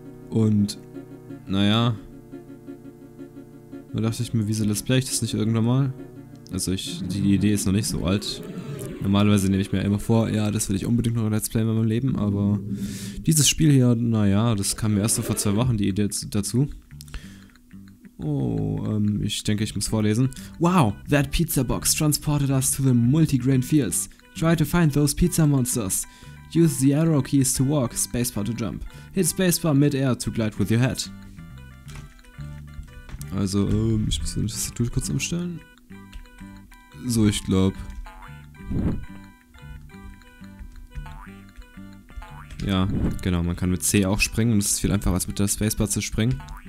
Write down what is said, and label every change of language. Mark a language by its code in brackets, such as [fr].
[de] Und, naja, da dachte ich mir, wieso Let's Play ich das nicht irgendwann mal? Also, die Idee ist noch nicht so alt. Normalerweise nehme ich mir immer vor, ja, das will ich unbedingt noch Let's Play in meinem Leben, aber dieses Spiel hier, naja, das kam mir erst so vor 2 Wochen, die Idee dazu. Oh, ich denke, ich muss vorlesen. [en] Wow, that pizza box transported us to the multigrain fields. Try to find those pizza monsters. Use the arrow keys to walk, spacebar to jump. Hit spacebar mid-air to glide with your head. [de] Also, ich muss das Tool kurz umstellen. So, ich glaube. Ja, genau, man kann mit C auch springen und es ist viel einfacher als mit der Spacebar zu springen.